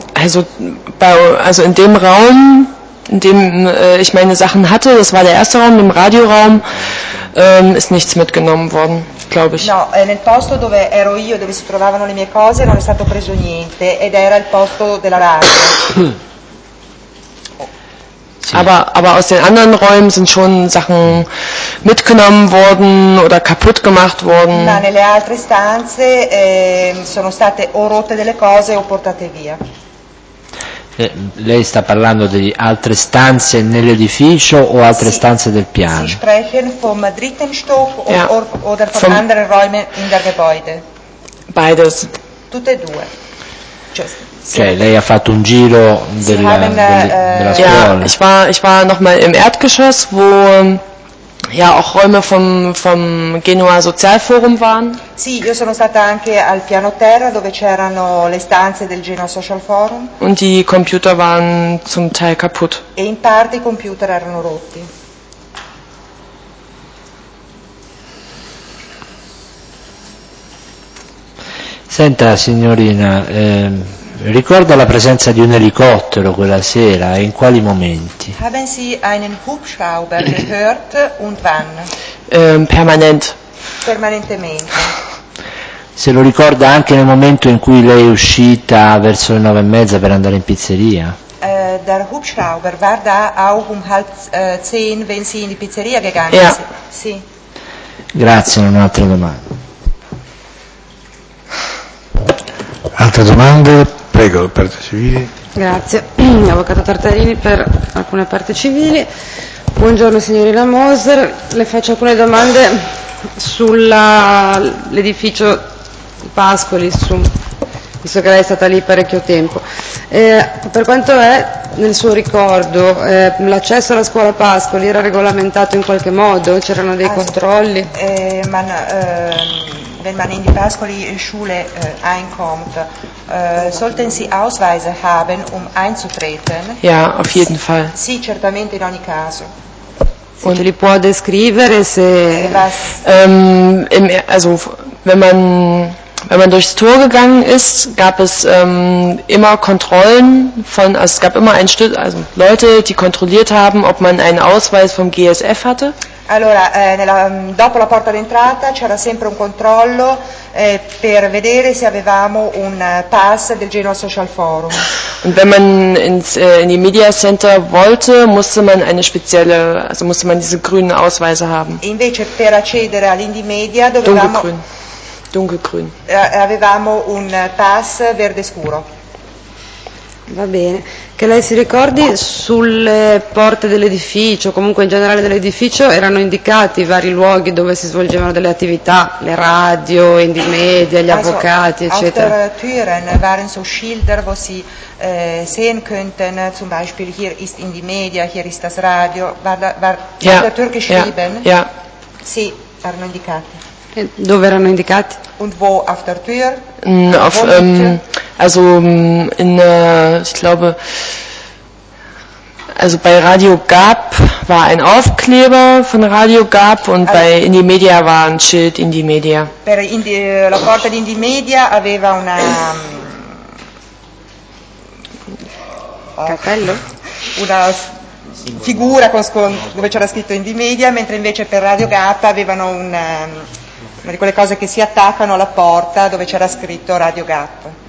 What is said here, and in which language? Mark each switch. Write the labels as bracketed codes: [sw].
[de] Also in dem Raum, in dem ich meine Sachen hatte, das war der erste Raum, im Radioraum, ist nichts mitgenommen worden, glaube ich. [it] No, nel posto dove ero io, dove si trovavano le mie cose, non è stato preso niente, ed era il posto della radio. [de] Aber aus den anderen Räumen sind schon Sachen mitgenommen worden oder kaputt gemacht worden. [it] No, nelle altre stanze sono state o rotte delle cose o portate via. Lei sta parlando di altre stanze nell'edificio o altre stanze del piano? [de] Sie sprechen vom dritten Stock oder von anderen Räumen in der Gebäude? Beides. [it] Tutte e due. Cioè, lei ha fatto un giro della scuola. [de] Ich war noch mal im Erdgeschoss, wo ja auch Räume vom Genua Sozialforum waren. [it] Sì, io sono stata anche al piano terra dove c'erano le stanze del Genoa Social Forum. [de] Und die Computer waren zum Teil kaputt. [it] E in parte i computer erano rotti. Senta, signorina, ricorda la presenza di un elicottero quella sera e in quali momenti? [de] Haben Sie einen Hubschrauber gehört und wann? [it] Permanentemente. Se lo ricorda anche nel momento in cui lei è uscita verso le 9:30 per andare in pizzeria? [de] Der Hubschrauber war da auch um 9:30, wenn Sie in die Pizzeria gegangen sind. Ja. [it] Sì. Grazie, un'altra domanda. Altre domande? Prego, parte civile. Grazie, avvocato Tartarini per alcune parti civili. Buongiorno signorina Moser, le faccio alcune domande sull'edificio Pascoli, visto che lei è stata lì parecchio tempo. Per quanto è nel suo ricordo, l'accesso alla scuola Pascoli era regolamentato in qualche modo? C'erano dei controlli? Ma no, [de] wenn man in die Pascoli Schule einkommt, sollten Sie Ausweise haben, um einzutreten? Ja, auf jeden Fall. [it] Sì, certamente in ogni caso. Und li può descrivere se [de] was? Also wenn man durchs Tor gegangen ist, gab es immer Kontrollen von, also es gab immer ein Stück, also Leute, die kontrolliert haben, ob man einen Ausweis vom GSF hatte. [it] Allora, dopo la porta d'entrata c'era sempre un controllo per vedere se avevamo un pass del Genoa Social Forum. [de] Und wenn man ins in die Media Center wollte, musste man eine spezielle, also musste man diese grünen Ausweise haben. [it] E invece per accedere all'Indie Media dovevamo [de] dunkelgrün. Dunkelgrün. [it] Avevamo un pass verde scuro. Va bene. Che lei si ricordi sulle porte dell'edificio, comunque in generale dell'edificio, erano indicati i vari luoghi dove si svolgevano delle attività, le radio, Indie Media, gli avvocati, eccetera. [de] Also, auf der Türen waren so Schilder, wo Sie sehen könnten, zum Beispiel hier ist Indie Media, hier ist das Radio, war ja, der Tür geschrieben? Ja, ja. [it] Sì, erano indicati. Dove erano indicati? [de] Und wo auf der Tür? Auf, also in, ich glaube, also bei Radio Gab war ein Aufkleber von Radio Gab und also bei Indie Media war ein Schild Indie Media. [it] Per Indie, la porta di Indie Media aveva una cappello, una figura con dove c'era scritto Indie Media, mentre invece per Radio Gab avevano un di quelle cose che si attaccano alla porta dove c'era scritto Radio Gap.